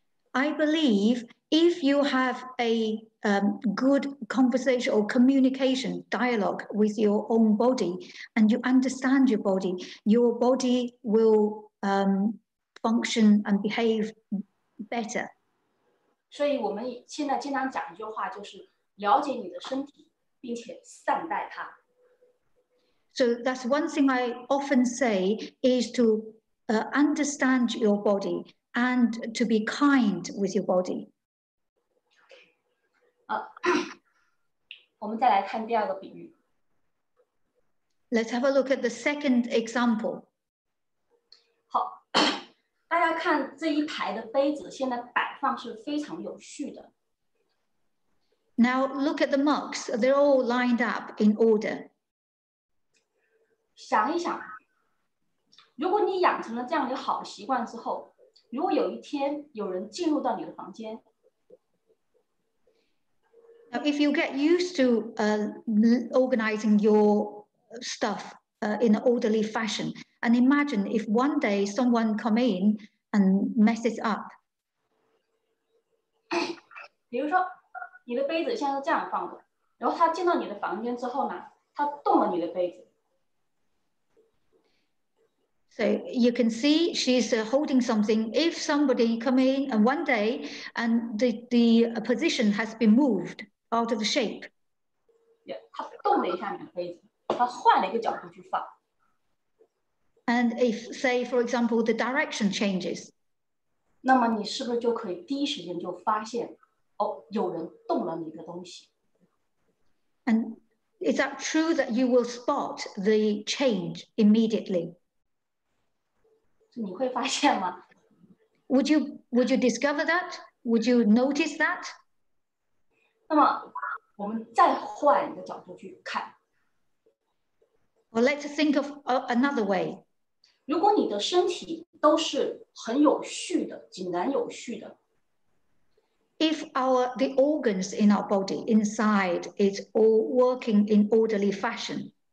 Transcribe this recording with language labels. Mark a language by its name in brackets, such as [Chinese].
[English] I believe if you have a good conversation or communication dialogue with your own body and you understand your body will function and behave better. [Chinese] 所以我们现在经常讲一句话，就是了解你的身体，并且善待它。 [English] So that's one thing I often say is to understand your body and to be kind with your body. Okay. [Chinese] 我们再来看第二个比喻。 [English] Let's have a look at the second example. [Chinese] 好。大家看这一排的杯子，现在摆放是非常有序的。 [English] Now look at the mugs; they're all lined up in order. [Chinese] 想一想，如果你养成了这样的好习惯之后，如果有一天有人进入到你的房间 [English] ，Now if you get used to organizing your stuff in an orderly fashion. And imagine if one day someone come in and messes up. [Chinese] 比如说，你的杯子现在是这样放的，然后他进到你的房间之后呢，他动了你的杯子。 [English] So you can see she's holding something. If somebody come in and one day and the position has been moved out of shape. [Chinese] Yeah, 他动了一下你的杯子，他换了一个角度去放。 [English] And if, say, for example, the direction changes, [Chinese] 那么你是不是就可以第一时间就发现，哦，有人动了你的东西？ [English] And is that true that you will spot the change immediately? [Chinese] 你会发现吗？ [English] Would you discover that? Would you notice that? [Chinese] 那么我们再换一个角度去看。 [English] Well, let's think of another way. [Chinese] 如果你的身体都是很有序的，井然有序的。 [English] If the organs in our body inside is all working in orderly fashion,